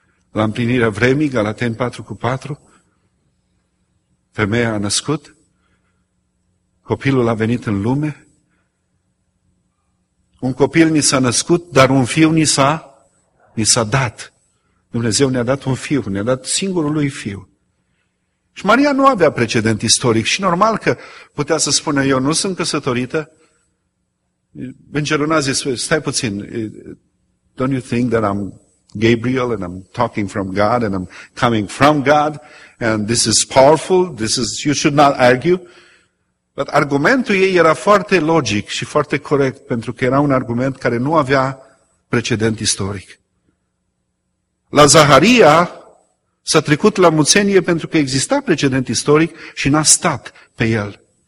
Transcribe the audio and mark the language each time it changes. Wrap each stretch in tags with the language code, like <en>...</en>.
<ro>La împlinirea vremii, Galateni 4:4, femeia a născut, copilul a venit în lume, un copil ni s-a născut, dar un fiu ni s-a dat. Dumnezeu ne-a dat un fiu, ne-a dat singurul lui fiu. Și Maria nu avea precedent istoric și normal că putea să spună, eu nu sunt căsătorită. Îngerul n-a zis, stai puțin,</ro> <en>don't you think that I'm Gabriel and I'm talking from God and I'm coming from God and this is powerful, this is, you should not argue.</en> <ro>Dar argumentul ei era foarte logic și foarte corect, pentru că era un argument care nu avea precedent istoric. La Zaharia s-a trecut la muțenie pentru că exista precedent istoric și n-a stat pe el.</ro>